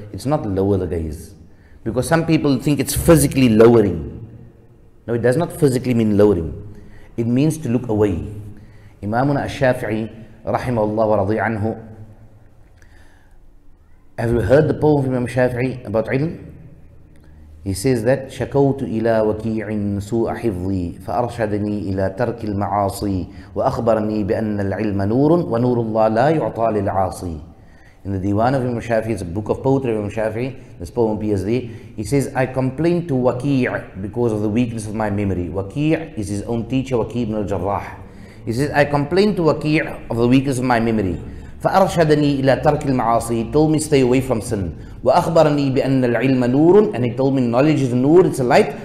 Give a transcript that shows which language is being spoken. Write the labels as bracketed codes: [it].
[en] It's not lower the gaze, because some people think it's physically lowering. No, it does not physically mean lowering. It means to look away. Imamuna al-Shafi'i rahimahullah wa radhi anhu. Have you heard the poem of Imam Shafi'i about ilm? He says that [ar] شكوت إلى وكيع سوء حفظي فأرشدني إلى ترك المعاصي وأخبرني بأن العلم نور ونور الله لا يعطى للعاصي. [en] In the Diwan of Imam Shafi'i, it's a book of poetry of Imam Shafi'i, this poem appears there. He says, I complained to Waqi' because of the weakness of my memory. Waqi' is his own teacher, Waqi' ibn al-Jarrah. He says, I complained to Waqi' of the weakness of my memory. [ar] فأرشدني إلى ترك المعاصي. [en] He told me, stay away from sin. [ar] وأخبرني بأن العلم نور. [en] And he told me, knowledge is نور, it's a light.